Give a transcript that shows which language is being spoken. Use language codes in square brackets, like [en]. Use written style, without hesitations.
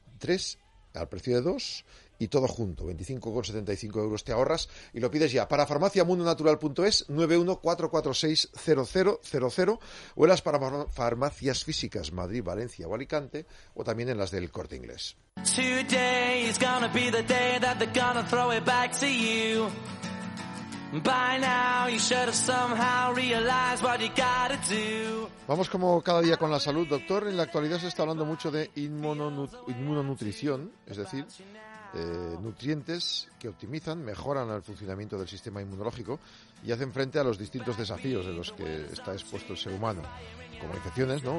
[es] 3 al precio de 2 y todo junto, 25,75€ te ahorras y lo pides ya para farmaciamundonatural.es 914460000 o en las para farmacias físicas Madrid, Valencia o Alicante o también en las del Corte Inglés. [en] Today is gonna be the day that they're gonna throw it back to you. By now you should have somehow realized what you gotta do. [es] Vamos como cada día con la salud, doctor. En la actualidad se está hablando mucho de inmunonutrición, es decir, nutrientes que optimizan, mejoran el funcionamiento del sistema inmunológico y hacen frente a los distintos desafíos de los que está expuesto el ser humano, como infecciones, ¿no?